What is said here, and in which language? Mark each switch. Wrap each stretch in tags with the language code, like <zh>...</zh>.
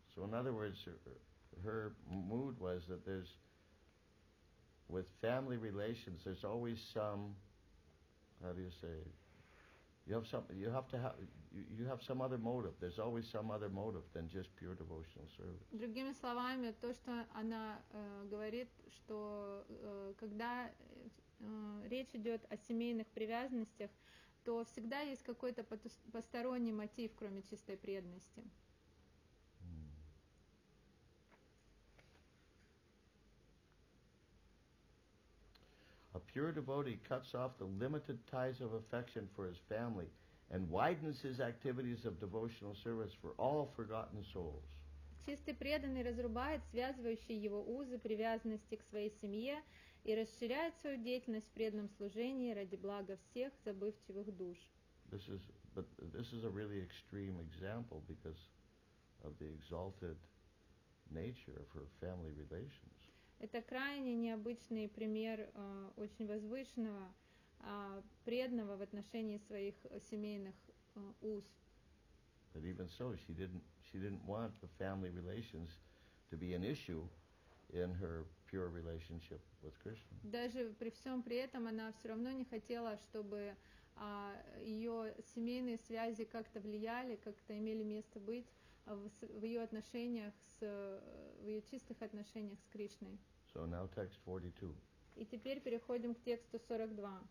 <en>So in other words, her mood was that there's, with family relations, there's always some, how do you say, You have some other motive. There's always some other motive than just pure devotional service.</en> <ru>Другими словами, то, что она говорит, что когда речь идет о семейных привязанностях, то всегда есть какой-то посторонний мотив, кроме чистой преданности.</ru> <en>A pure devotee cuts off the limited ties of affection for his family and widens his activities of devotional service for all forgotten souls.</en> <ru>Чистый преданный разрубает связывающие его узы привязанности к своей семье и расширяет свою деятельность в преданном служении ради блага всех забывчивых душ.</ru> <en>This is a really extreme example because of the exalted nature of her family relations.</en> <ru>Это крайне необычный пример очень возвышенного преданного в отношении своих семейных уз.</ru> <en>But even so, she didn't want the family relations to be an issue in her pure relationship with Krishna.</en> <ru>Даже при всем при этом она все равно не хотела, чтобы ее семейные связи как-то влияли, как-то имели место быть в ее отношениях в ее чистых отношениях с Кришной.</ru> <en>So now text 42.</en> <ru>И теперь переходим к тексту 42.</ru>